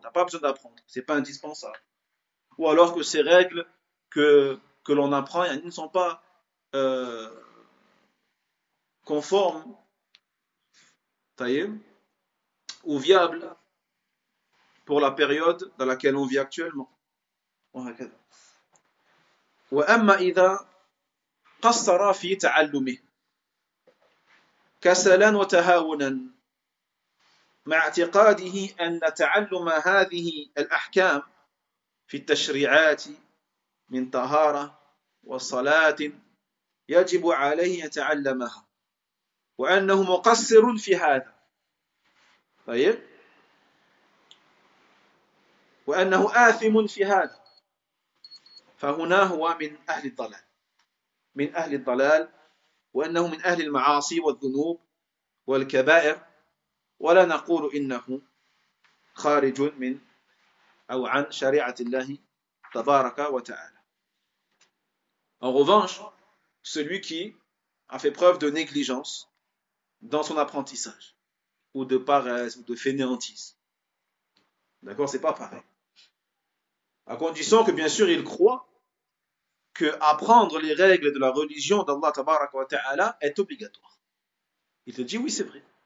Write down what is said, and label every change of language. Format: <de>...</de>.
<fr>T'as pas besoin d'apprendre, c'est pas indispensable. Ou alors que ces règles que l'on apprend, elles ne sont pas conformes, taillées, ou viables pour la période dans laquelle on vit actuellement.</fr> <ar>وأما إذا قصر في تعلمه كسلا وتهاونا مع اعتقاده أن تعلم هذه الأحكام في التشريعات من طهارة وصلاة يجب عليه يتعلمها وأنه مقصر في هذا. طيب وأنه آثم في هذا فهنا هو من أهل الضلال، من أهل الضلال، وأنه من أهل المعاصي والذنوب والكبائر، ولا نقول إنه خارج من أو عن شريعة الله تبارك وتعالى.</ar> <fr>En revanche, celui qui a fait preuve de négligence dans son apprentissage, ou de paresse, ou de fainéantise, d'accord, c'est pas pareil. À condition que, bien sûr, il croit que apprendre les règles de la religion d'Allah</fr> <ar>tabaraka wa ta'ala</ar> <fr>est obligatoire. Il te dit oui, c'est vrai.</fr>